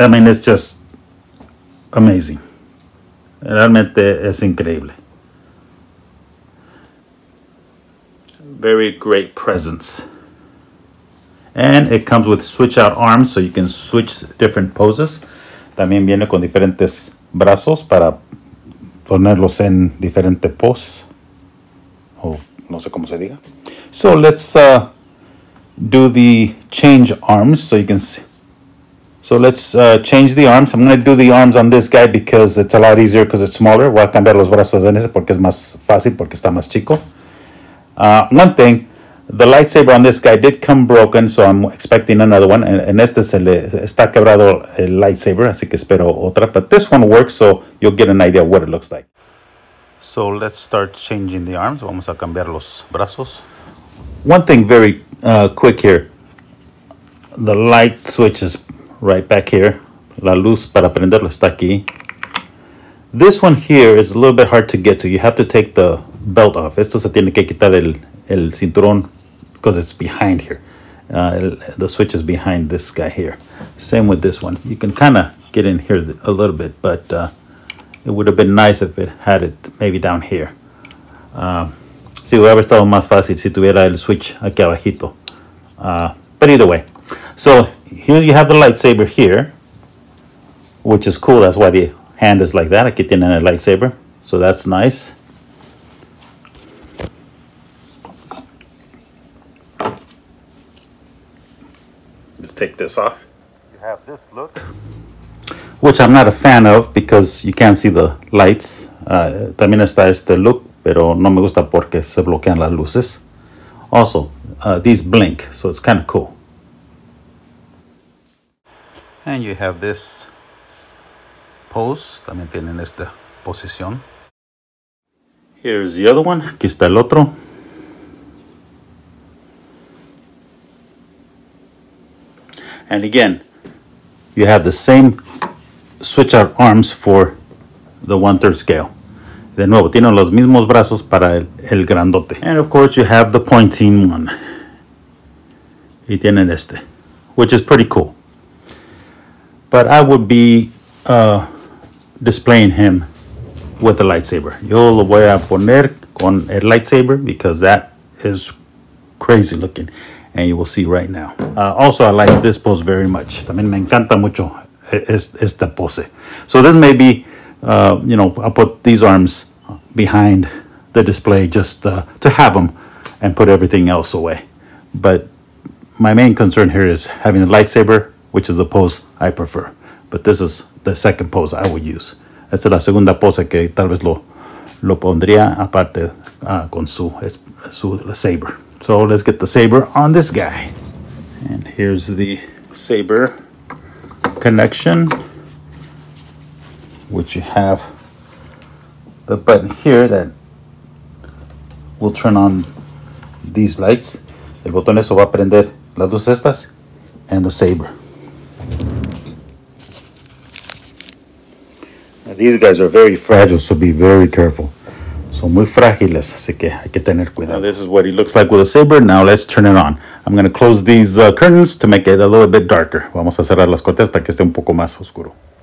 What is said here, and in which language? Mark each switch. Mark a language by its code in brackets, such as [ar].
[en] It's just amazing. [es] Realmente es increíble. [en] Very great presence. And it comes with switch out arms, so you can switch different poses. [es] También viene con diferentes brazos para ponerlos en diferente pose. Oh, no sé cómo se diga. [en] So let's do the change arms, so you can see. So let's change the arms. I'm going to do the arms on this guy because it's a lot easier because it's smaller. [es] Voy a cambiar los brazos en ese porque es más fácil, porque está más chico. [en] One thing. The lightsaber on this guy did come broken, so I'm expecting another one. [es] En este se le está quebrado el lightsaber, así que espero otra. [en] But this one works, so you'll get an idea of what it looks like. So let's start changing the arms. [es] Vamos a cambiar los brazos. [en] One thing very quick here. The light switch is right back here. [es] La luz para prenderlo está aquí. [en] This one here is a little bit hard to get to. You have to take the belt off. [es] Esto se tiene que quitar el cinturón. [en] Because it's behind here. The switch is behind this guy here. Same with this one. You can kind of get in here a little bit, but it would have been nice if it had it maybe down here. [es] Si hubiera estado más fácil si tuviera el switch aquí abajito. [en] But either way. So here you have the lightsaber here, which is cool. That's why the hand is like that. [es] Aquí tienen el lightsaber. [en] So that's nice. Take this off. You have this look, which I'm not a fan of because you can't see the lights. [es] También está este look, pero no me gusta porque se bloquean las luces. [en] Also, these blink, so it's kind of cool. And you have this pose. [es] También tienen esta posición. [en] Here's the other one. [es] Aquí está el otro. [en] And again, you have the same switch out arms for the 1/3 scale. [es] De nuevo, tienen los mismos brazos para el grandote. [en] And of course, you have the pointing one. [es] Y tienen este, [en] which is pretty cool. But I would be displaying him with a lightsaber. [es] Yo lo voy a poner con el lightsaber [en] because that is crazy looking. And you will see right now. Also, I like this pose very much. [es] También me encanta mucho esta pose. [en] So this may be, I'll put these arms behind the display just to have them and put everything else away. But my main concern here is having the lightsaber, which is the pose I prefer. But this is the second pose I would use. [es] Esta es la segunda pose que tal vez lo pondría aparte con su saber. [en] So let's get the saber on this guy. And here's the saber connection. which you have the button here that will turn on these lights. [es] El botón eso va a prender las luces estas [en] and the saber. Now these guys are very fragile, so be very careful. [es] Son muy frágiles, así que hay que tener cuidado. [en] Now this is what he looks like with a saber. Now let's turn it on. I'm going to close these curtains to make it a little bit darker. [es] Vamos a cerrar las cortinas para que esté un poco más oscuro.